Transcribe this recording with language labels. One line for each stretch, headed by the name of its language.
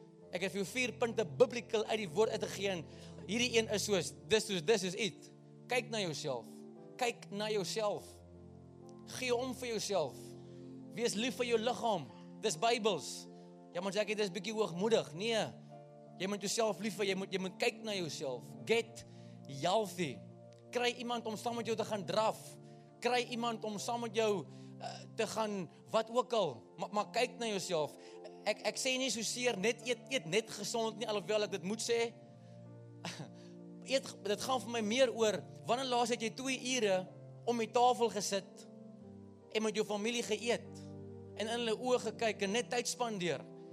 Afrikaans: Ek het vir jou 4 punte biblical uit die woord uitgegee. Hierdie een is soos, dis is it. Kyk na jouself. Kyk na jouself. Gee om vir jouself. Wees lief vir jou liggaam. Dis Bybels. Ja, maar Jackie, dis bietjie hoogmoedig. Nee, jy moet jouself lief vir, jy moet kyk na jouself.
English: Get healthy.
Afrikaans: Kry iemand om saam met jou te gaan draf. Kry iemand om saam met jou te gaan, wat ook al. Maar kyk na jouself. Ek sê nie so seer, net eet net gesond nie, alhoewel ek dit moet sê. Dit gaan vir my meer oor, wanneer laas het jy 2 ure om die tafel gesit en met jou familie geëet en in hulle oë gekyk en net tyd spandeer.